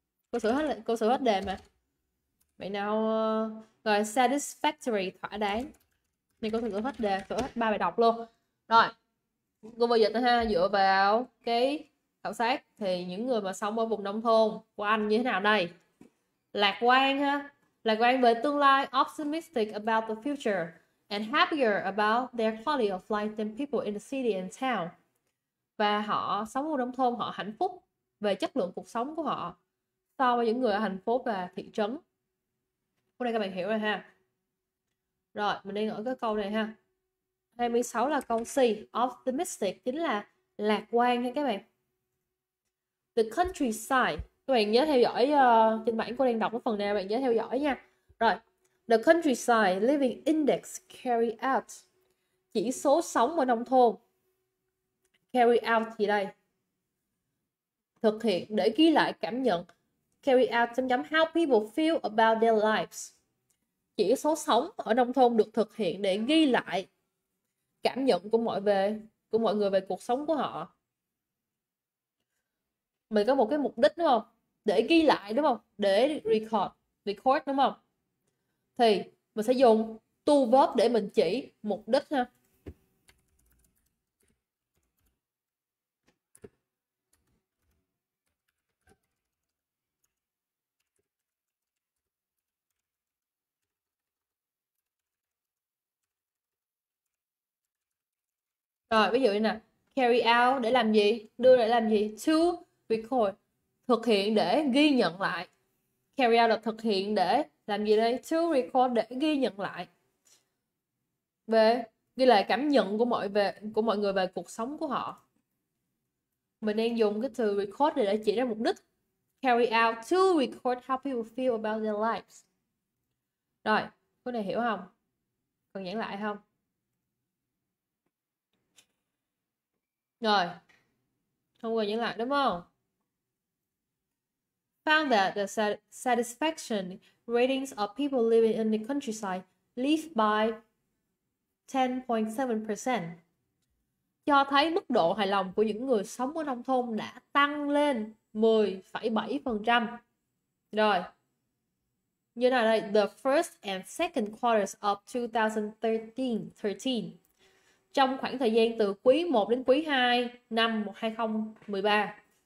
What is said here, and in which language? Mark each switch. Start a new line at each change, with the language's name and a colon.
Vietnamese: Cô xử hết đề mà. Vậy nào rồi satisfactory thỏa đáng. Nên cô thử hết đề, thử hết ba bài đọc luôn. Rồi. Cô vừa dịch ha, dựa vào cái khảo sát thì những người mà sống ở vùng nông thôn của Anh như thế nào đây? Lạc quan ha.
English: Lạc quan về tương lai, optimistic about the future and happier about their quality of life than people in the city and town.
Vietnamese: Và họ sống ở nông thôn, họ hạnh phúc về chất lượng cuộc sống của họ so với những người ở thành phố và thị trấn. Hôm nay các bạn hiểu rồi ha. Rồi, mình đang ở cái câu này ha. 26 là câu C. Optimistic chính là lạc quan nha các bạn. The countryside. Các bạn nhớ theo dõi trên bảng cô đang đọc cái phần nào, bạn nhớ theo dõi nha.
English: Rồi, the countryside living index carry out.
Vietnamese: Chỉ số sống ở nông thôn. Carry out gì đây? Thực hiện để ghi lại cảm nhận.
English: Carry out chấm chấm how people feel about their lives.
Vietnamese: Chỉ số sống ở nông thôn được thực hiện để ghi lại cảm nhận của mọi người về cuộc sống của họ. Mình có một cái mục đích đúng không? Để ghi lại đúng không? Để record, record đúng không? Thì mình sẽ dùng to verb để mình chỉ mục đích ha. Rồi, ví dụ như nè, carry out để làm gì, đưa để làm gì, to record, thực hiện để ghi nhận lại. Carry out là thực hiện để làm gì đây, to record để ghi nhận lại. Về, ghi lại cảm nhận của mọi người về cuộc sống của họ. Mình đang dùng cái từ record để chỉ ra mục đích.
English: Carry out to record how people feel about their lives.
Vietnamese: Rồi, câu này hiểu không? Còn giảng lại không? Rồi, không cần giảng lại đúng không?
English: Found that the satisfaction ratings of people living in the countryside lift by 10.7%.
Vietnamese: Cho thấy mức độ hài lòng của những người sống ở nông thôn đã tăng lên 10,7%. Rồi. Như nào đây?
English: The first and second quarters of 2013.
Vietnamese: Trong khoảng thời gian từ quý 1 đến quý 2 năm 2013.